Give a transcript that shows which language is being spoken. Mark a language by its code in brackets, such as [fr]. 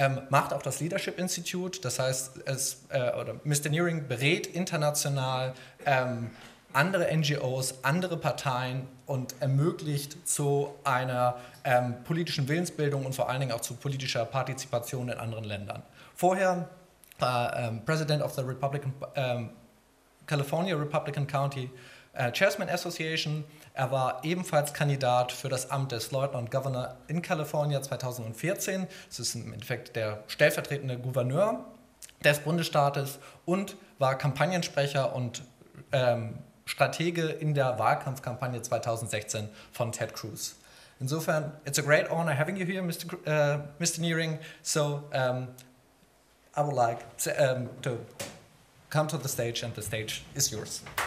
[de] Macht auch das Leadership Institute. Das heißt, Mr. Nehring berät international andere NGOs, andere Parteien und ermöglicht zu einer politischen Willensbildung und vor allen Dingen auch zu politischer Partizipation in anderen Ländern. Vorher war President of the California Republican County Chairman Association. Er war ebenfalls Kandidat für das Amt des Lieutenant Governor in California 2014. Das ist im Endeffekt der stellvertretende Gouverneur des Bundesstaates und war Kampagnensprecher und Stratege in der Wahlkampfkampagne 2016 von Ted Cruz. [en] Insofern, it's a great honor having you here, Mr. Nehring. So, I would like to come to the stage, and the stage is yours.